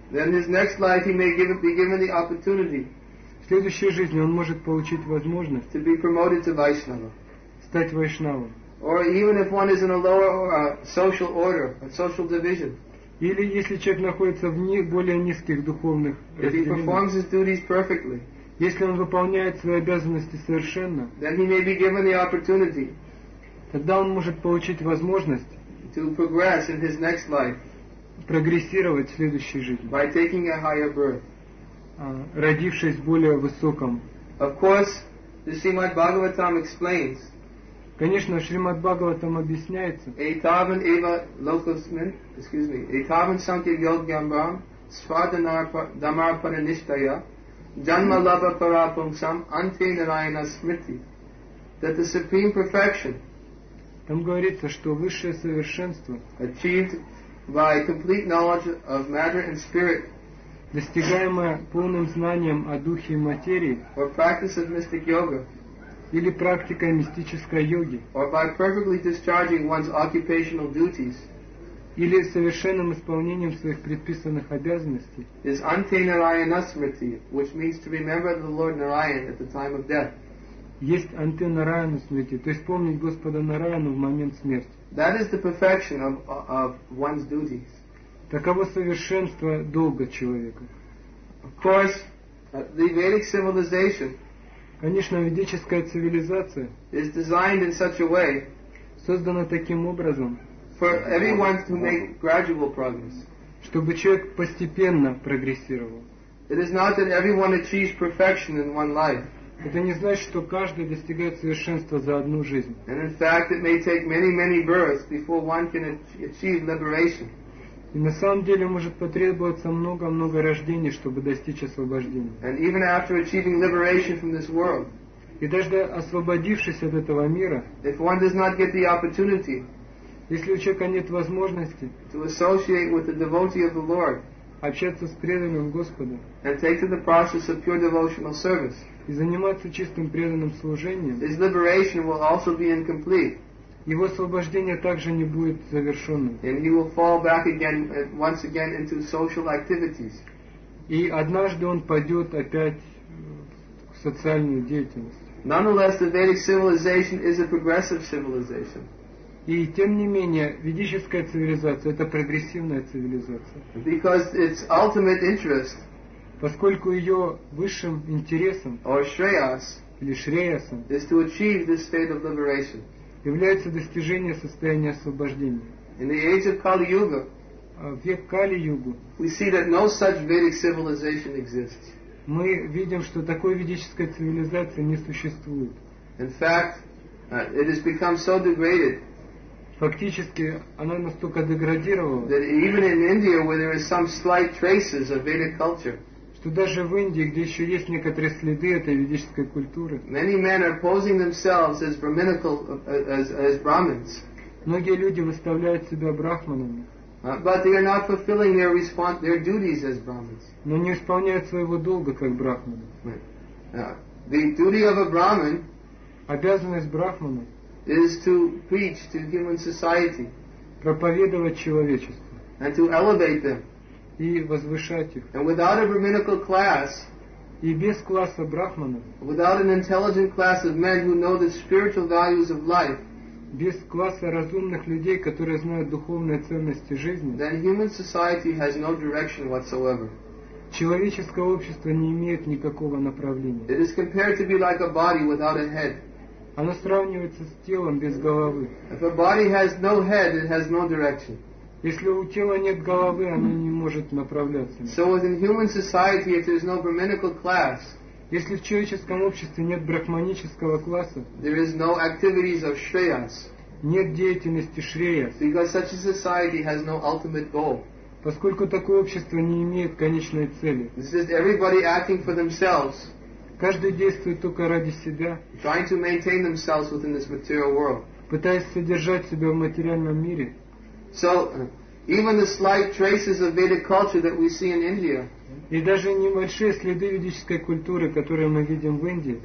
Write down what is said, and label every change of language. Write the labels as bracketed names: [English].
[English] then his next life he may be given the opportunity, [Russian] в следующей жизни он может получить возможность, [English] to be promoted to Vaishnava, [Russian] стать Вайшнавом. [English] Or even if one is in a lower social order, a social division. [Russian] Или если человек находится в более низких духовных разделениях. [English] If he performs his duties perfectly. [Russian] Если он выполняет свои обязанности совершенно. [English] Then he may be given the opportunity. [Russian] Тогда он может получить возможность. [English] To progress in his next life. [Russian] Прогрессировать в следующей жизни. [English] By taking a higher birth. [Russian] Родившись в более высоком. [English] Of course, the Srimad Bhagavatam explains. [Russian] Конечно, Шримад Бхагаватам объясняется. [Sanskrit] Этавен эва локасмин, [English] excuse me, [Sanskrit] этавен санкья йогьямбрам, свадхинар дамар параништая, джанма лаба парапунсам, анте нараяна смрити. [English] That the supreme perfection, [Russian] там говорится, что высшее совершенство, [English] achieved by complete knowledge of matter and spirit, [Russian] достигаемое полным знанием о духе и материи, [English] or practice of mystic yoga, [Russian] или практикой мистической йоги, [English] or by perfectly discharging one's occupational duties, [Russian] или совершенным исполнением своих предписанных обязанностей, [English] is ante narayana smriti, which means to remember the Lord Narayan at the time of death. [Russian] Есть ante narayana smriti, то есть помнить Господа Нараяну в момент смерти. [English] That is the perfection of one's duties. [Russian] Таково совершенство долга человека. [English] Of course, the Vedic civilization, [Russian] конечно, ведическая цивилизация [English] is designed in such a way, [Russian] создана таким образом, [English] for everyone to make gradual progress, [Russian] чтобы человек постепенно прогрессировал. [English] It is not that everyone achieves perfection in one life. [Russian] Это не значит, что каждый достигает совершенства за одну жизнь. [English] And in fact, it may take many, many births before one can achieve liberation. [Russian] И на самом деле может потребоваться много-много рождений, чтобы достичь освобождения. [English] And even after achieving liberation from this world, [Russian] и даже освободившись от этого мира, [English] if one does not get the opportunity, [Russian] если у человека нет возможности, [English] to associate with the devotee of the Lord, [Russian] общаться с преданным Господа, [English] and take to the process of pure devotional service, [Russian] и заниматься чистым преданным служением, [English] his liberation will also be incomplete. [Russian] Его освобождение также не будет завершенным. [English] And he will fall back again, once again into social activities. [Russian] И однажды он пойдет опять в социальную деятельность. [English] Nonetheless, the Vedic civilization is a progressive civilization. [Russian] И тем не менее, ведическая цивилизация — это прогрессивная цивилизация. [English] Because its ultimate interest, [Russian] поскольку ее высшим интересом, [English] or shreyas, [Russian] или шреясом, [English] is to achieve this state of liberation. [Russian] Является достижение состояния освобождения. [English] In the age of Kali Yuga, [Russian] в век Кали-Югу, [English] we see that no such Vedic civilization exists. [Russian] Мы видим, что такой ведической цивилизации не существует. [English] In fact, it has become so degraded. [Russian] Фактически, она настолько деградировала, [English] that even in India, where there is some slight traces of Vedic culture, [Russian] что даже в Индии, где еще есть некоторые следы этой ведической культуры, [English] many men are posing themselves as brahminical, as brahmins. [Russian] Многие люди выставляют себя брахманами. [English] But they are not fulfilling their response, their duties as brahmins. [Russian] Но не исполняют своего долга как брахманы. [English] The duty of a brahmin, [Russian] обязанность брахмана, [English] is to preach to human society, [Russian] проповедовать человечеству, [English] and to elevate them, [Russian] и возвышать их. [English] And without a brahminical class, [Russian] и без класса брахманов, [English] without an intelligent class of men who know the spiritual values of life, [Russian] без класса разумных людей, которые знают духовные ценности жизни, [English] then human society has no direction whatsoever. [Russian] Человеческое общество не имеет никакого направления. [English] It is compared to be like a body without a head. [Russian] Оно сравнивается с телом без головы. [English] If a body has no head, it has no direction. [Russian] Если у тела нет головы, оно не может направляться. [English] So within human society, if there is no brahminical class, [Russian] если в человеческом обществе нет брахманического класса, [English] there is no activities of shreyas, [Russian] нет деятельности шреяс, [English] because such a society has no ultimate goal, [Russian] поскольку такое общество не имеет конечной цели. [English] This is everybody acting for themselves, [Russian] каждый действует только ради себя, [English] trying to maintain themselves within this material world, [Russian] пытаясь содержать себя в материальном мире. [English] So, even the slight traces of Vedic culture that we see in India, [Russian] и даже небольшие следы ведической культуры, которые мы видим в Индии,